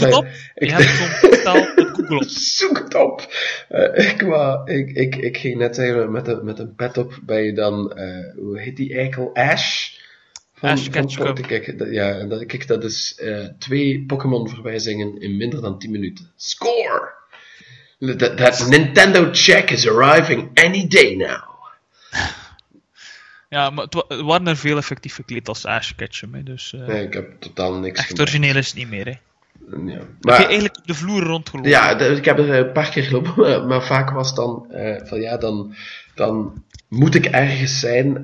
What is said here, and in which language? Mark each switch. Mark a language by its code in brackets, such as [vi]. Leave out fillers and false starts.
[nl] zoek het op! Zoek het op! Ik ging net zeggen, met een pet op ben je dan, hoe heet die eikel? Ash? Ash Ketchum. Dat is 2 Pokémon-verwijzingen in minder dan 10 minuten. Score! [en] That Nintendo check is arriving any day now. [nl] Ja, maar het waren er veel effectief gekleed als Ash Ketchum. Dus, nee, ik heb totaal niks echt gemaakt. Origineel is het niet meer, hè. Ja. Maar, heb je eigenlijk de vloer rondgelopen? Ja, ik heb er een paar keer gelopen, maar vaak was het dan dan moet ik ergens zijn.